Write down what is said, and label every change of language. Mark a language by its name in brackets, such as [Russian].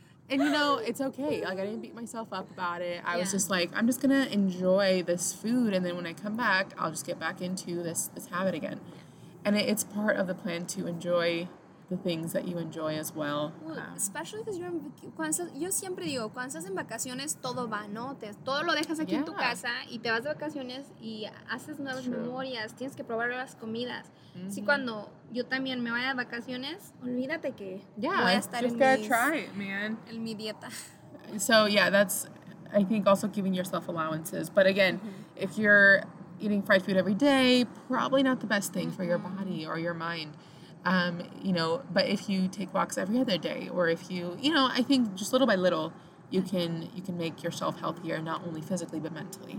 [English] And, you know, it's okay. Like, I didn't beat myself up about it. I was just like, I'm just going to enjoy this food. And then when I come back, I'll just get back into this habit again. And it's part of the plan to enjoy the things that you enjoy as well. Especially because you're [Spanish] yo siempre digo, cuando estás en vacaciones, todo va, ¿no? Todo lo dejas aquí en tu casa y te vas de vacaciones y haces nuevas memorias, tienes que probar las comidas. Mm-hmm. Así cuando yo también me vaya de vacaciones, olvídate que voy a estar [English] just gotta try it, man. [Spanish] En mi dieta. [English] So, yeah, that's, I think, also giving yourself allowances. But again, if you're eating fried food every day, probably not the best thing for your body or your mind. You know, but if you take walks every other day, or if you know, I think just little by little, you can make yourself healthier, not only physically, but mentally.